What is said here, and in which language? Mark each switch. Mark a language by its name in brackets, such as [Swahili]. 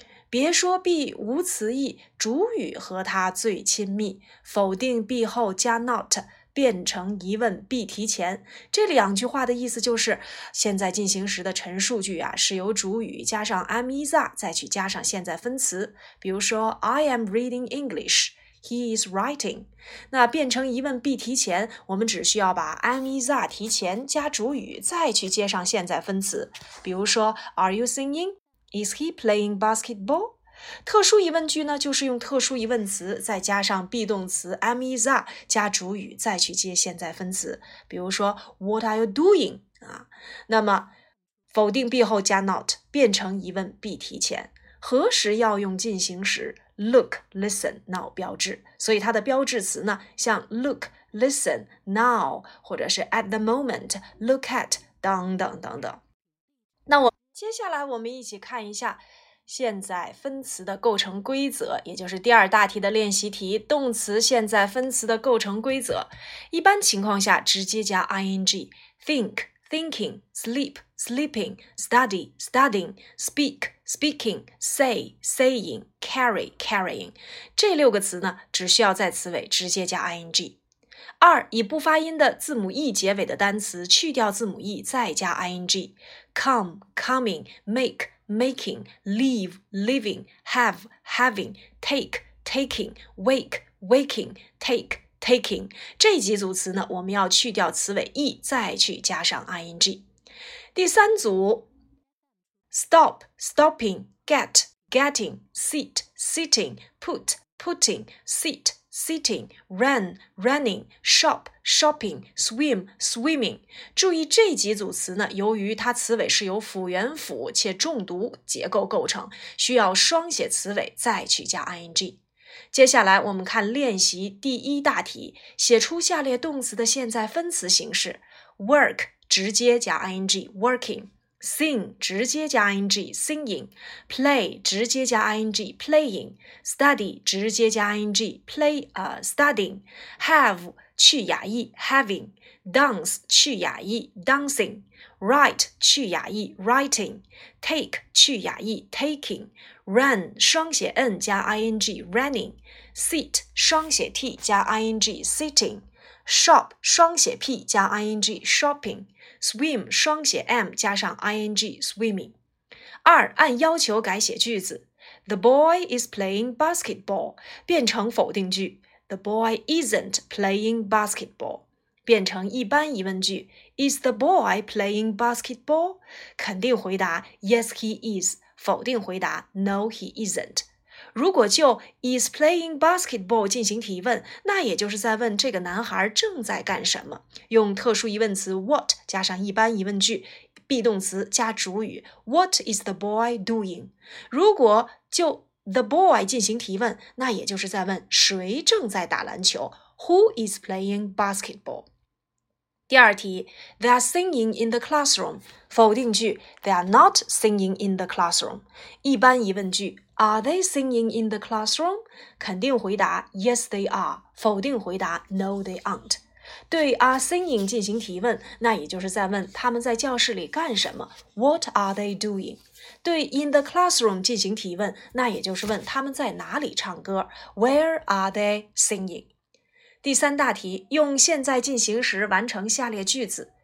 [Chinese] 别说 be 无词义，主语和它最亲密，否定 be 后加 not 变成疑问 be 提前。这两句话的意思就是，现在进行时的陈述句啊，是由主语加上 am is are 再去加上现在分词。比如说 [English] I am reading English, he is writing。 [Chinese] 那变成疑问 be 提前，我们只需要把 am is are 提前加主语再去接上现在分词。 [English] 比如说 Are you singing? Is he playing basketball? [Chinese] 特殊疑问句呢，就是用特殊疑问词再加上 be 动词 am is are 加主语再去接现在分词。比如说 [English] What are you doing?、 [Chinese] 那么否定 be 后加 not 变成疑问 be 提前。何时要用进行时 look, listen, now 标志。所以它的标志词呢，像 look, listen, now 或者是 [English] at the moment, [Chinese] look at, 等等等等。那我接下来我们一起看一下现在分词的构成规则，也就是第二大题的练习题，动词现在分词的构成规则。一般情况下直接加 ing， think, thinking, sleep, sleeping, study, studying, speak, speaking, say, saying, carry, carrying， 这六个词呢只需要在词尾直接加 ing。二，以不发音的字母 e 结尾的单词去掉字母 e 再加 ing， come, coming, make, making, leave, living, have, having, take, taking, wake, waking, take, taking， 这几组词呢我们要去掉词尾 e 再去加上 ing。第三组 [English] stop, stopping, get, getting, sit, sitting, put, putting, seatsitting, run, running, shop, shopping, swim, swimming。 [Chinese] 注意这几组词呢，由于它词尾是由辅元辅且重读结构构成，需要双写词尾再去加 ing。接下来我们看练习第一大题，写出下列动词的现在分词形式。 [English] work [Chinese] 直接加 [English] ing, working。 Sing 直接加 ing, singing. Play [Chinese] 直接加 [English] ing, playing. Study 直接加 ing, play, studying. Have [Chinese] 去哑 [English] e, having. Dance 去哑 e, dancing. Write [Chinese] 去哑 [English] e, writing. Take 去哑 e, taking. Run [Chinese] 双写 [English] n 加 ing, running. Sit 双写 t 加 ing, sitting. Shop [Chinese] 双写 [English] p 加 ing, shopping. Swim 双写 m [Chinese] 加上 [English] ing swimming。 [Chinese] 二，按要求改写句子。 [English] The boy is playing basketball [Chinese] 变成否定句。 [English] The boy isn't playing basketball [Chinese] 变成一般疑问句。 [English] Is the boy playing basketball? [Chinese] 肯定回答 [English] Yes he is， [Chinese] 否定回答 [English] No he isn't。 [Chinese] 如果就 [English] is playing basketball [Chinese] 进行提问，那也就是在问这个男孩正在干什么。用特殊疑问词 what 加上一般疑问句 be 动词加主语 [English] what is the boy doing。 [Chinese] 如果就 the boy 进行提问，那也就是在问谁正在打篮球 [English] who is playing basketball。 [Chinese] 第二题 [English] they are singing in the classroom， [Chinese] 否定句 [English] they are not singing in the classroom， [Chinese] 一般疑问句 [English] Are they singing in the classroom? [Chinese] 肯定回答 [English] Yes, they are. [Chinese] 否定回答 [English] No, they aren't. [Chinese] 对 [English] are singing [Chinese] 进行提问，那也就是在问他们在教室里干什么 [English] What are they doing? [Chinese] 对 [English] in the classroom [Chinese] 进行提问，那也就是问他们在哪里唱歌 , [English] Where are they singing? [Chinese] 第三大题，用现在进行时完成下列句子。